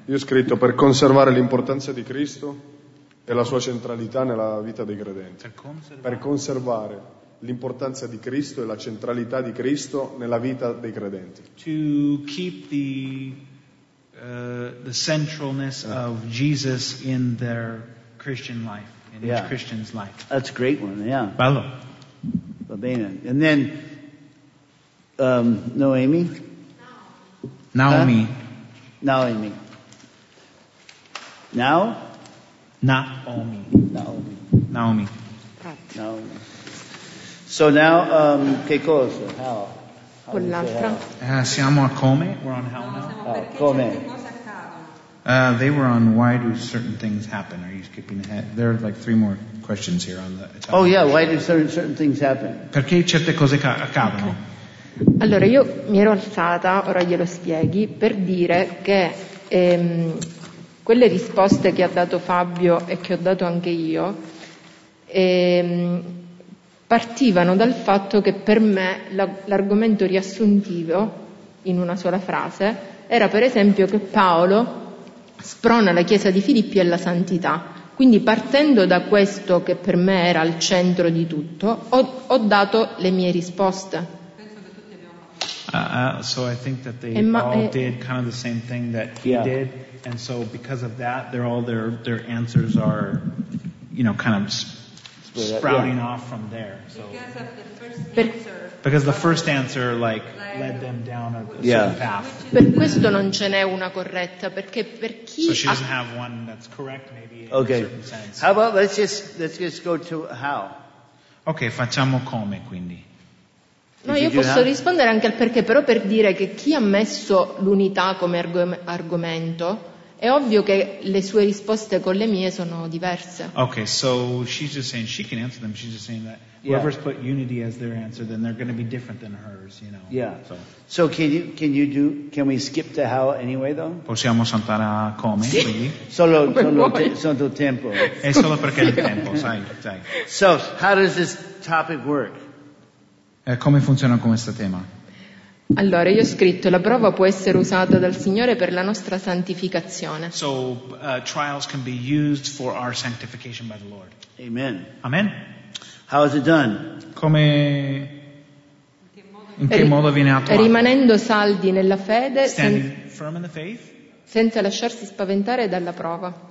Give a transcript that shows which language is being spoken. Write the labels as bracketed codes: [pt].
[it] Io ho scritto per conservare l'importanza di Cristo e la sua centralità nella vita dei credenti. Per conservare l'importanza di Cristo e la centralità di Cristo nella vita dei credenti. [en] To keep the centralness of Jesus in their Christian life, each Christian's life. That's a great one, yeah. [it] Bello. Va bene. [en] And then, Noemi? Naomi. Huh? Naomi. Now? Naomi. Naomi. Naomi. Naomi. So now, [it] che cosa? [en] How? [it] Con l'altra. Siamo a come? [en] We're on how [it] no, [en] now? Oh, [it] come? Certe cose [en] they were on why do certain things happen? Are you skipping ahead? There are like three more questions here on the. Oh yeah, why do certain things happen? [it] Perché certe cose accadono? Okay. Allora io mi ero alzata, ora glielo spieghi, per dire che. Quelle risposte che ha dato Fabio e che ho dato anche io partivano dal fatto che per me l'argomento riassuntivo in una sola frase era per esempio che Paolo sprona la Chiesa di Filippi alla santità. Quindi partendo da questo che per me era al centro di tutto ho dato le mie risposte. [en] So I think that they all did kind of the same thing that he did, and so because of that, their answers are, you know, kind of sprouting off from there. So because the first answer like led them down a certain path. [it] Per questo non ce n'è una corretta, perché per chi. [en] So she doesn't have one that's correct, maybe in a certain sense. How about let's just go to how. [it] Ok, facciamo come quindi? No, io posso rispondere anche al perché, però per dire che chi ha messo l'unità come argomento, è ovvio che le sue risposte con le mie sono diverse. [en] Ok, so she's just saying she can answer them, she's just saying that whoever's put unity as their answer, then they're going to be different than hers, you know. Yeah. So can we skip to how anyway though? [it] Possiamo saltare a come, sì. Quindi? Solo tempo. È solo perché è il tempo, sai. [en] So how does this topic work? [it] Come funziona questo tema? Allora, io ho scritto, la prova può essere usata dal Signore per la nostra santificazione. [en] So, trials can be used for our sanctification by the Lord. Amen. Amen. How is it done? [it] Come... In che modo viene attuato? Rimanendo saldi nella fede, [en] firm in the faith, [it] senza lasciarsi spaventare dalla prova.